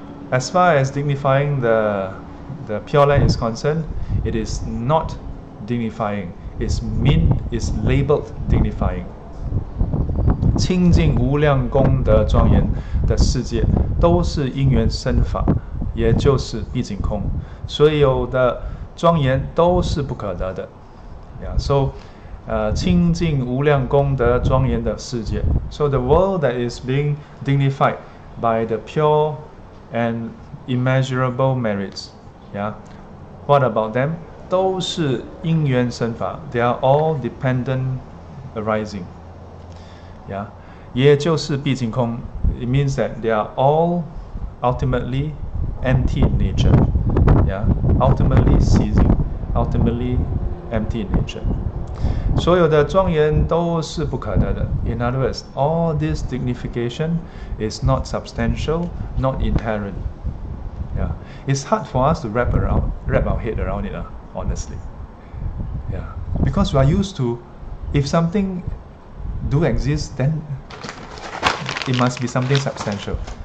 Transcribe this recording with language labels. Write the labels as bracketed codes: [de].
[en] As far as dignifying the Pure Land is concerned, it is not dignifying. It's labeled dignifying. [zh] 清净无量功德庄严的世界都是因缘生法也就是毕竟空，所有的庄严都是不可得的。 Yeah, so, 清净无量功德庄严的世界。 [en] So the world that is being dignified by the pure and immeasurable merits. Yeah, what about them? [zh] 都是因缘生法。 [en] They are all dependent arising. Yeah, [zh] 也就是毕竟空。 [en] It means that they are all ultimately empty in nature. Yeah, ultimately ceasing, ultimately empty in nature. [zh] 所有的庄严都是不可得的。 [en] In other words, all this dignification is not substantial, not inherent. Yeah, it's hard for us to wrap our head around it, honestly. Yeah, because we are used to, if something do exist, then it must be something substantial.